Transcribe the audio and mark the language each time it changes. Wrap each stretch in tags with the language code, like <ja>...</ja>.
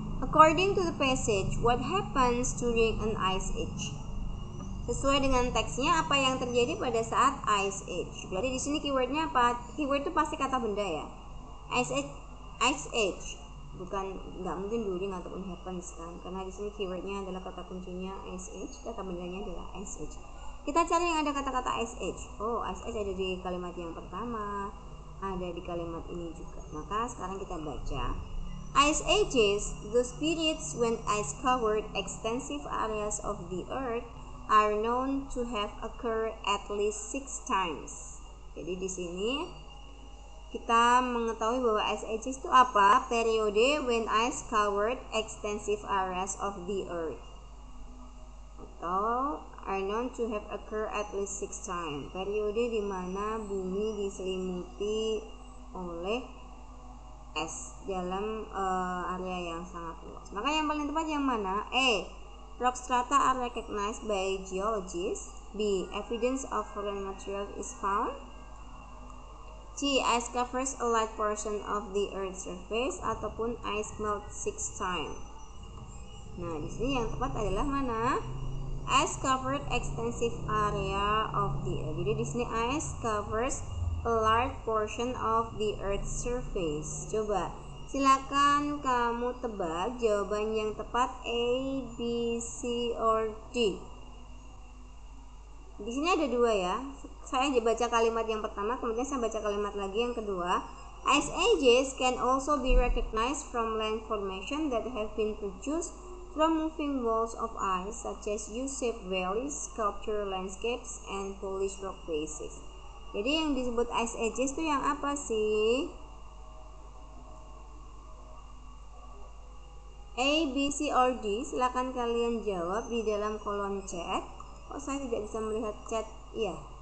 <en>According to the passage, what happens during an ice age?</en> <id>Sesuai dengan teksnya, apa yang terjadi pada saat ice age? Berarti di sini keywordnya apa? Keyword itu pasti kata benda ya. Ice age, bukan nggak mungkin during ataupun happens kan? Karena di sini keywordnya adalah kata kuncinya ice age, kata bendanya adalah ice age. Kita cari yang ada kata-kata ice age. Oh, ice age ada di kalimat yang pertama, ada di kalimat ini juga. Maka sekarang kita baca.</id> <en>Ice ages, those periods when ice covered extensive areas of the earth, are known to have occurred at least 6 times.</en> <id>Jadi di sini kita mengetahui bahwa ice ages itu apa?</id> <en>Periode when ice covered extensive areas of the earth. Atau are known to have occurred at least 6 times.</en> <id>Periode di mana bumi diselimuti oleh es dalam area yang sangat luas. Maka yang paling tepat yang mana?</id> <en>A. Rock strata are recognized by geologists. B. Evidence of foreign material is found. C. Ice covers a large portion of the earth's surface. Ataupun ice melt 6 times.</en> <id>Nah, di sini yang tepat adalah mana?</id> <en>Ice covered extensive area of the earth.</en> <id>Jadi di sini</id> <en>ice covers a large portion of the earth's surface.</en> <id>Coba, silakan kamu tebak jawaban yang tepat A, B, C, or D. Di sini ada dua ya. Saya baca kalimat yang pertama, kemudian saya baca kalimat lagi yang kedua.</id> <en>Ice ages can also be recognized from land formation that have been produced from moving walls of ice, such as U-shaped valleys, sculpture landscapes, and polished rock faces.</en> <id>Jadi yang disebut ice ages itu yang apa sih? A, B, C, or D? Silakan kalian jawab di dalam kolom chat. Kok saya tidak bisa melihat chat? Iya.</id>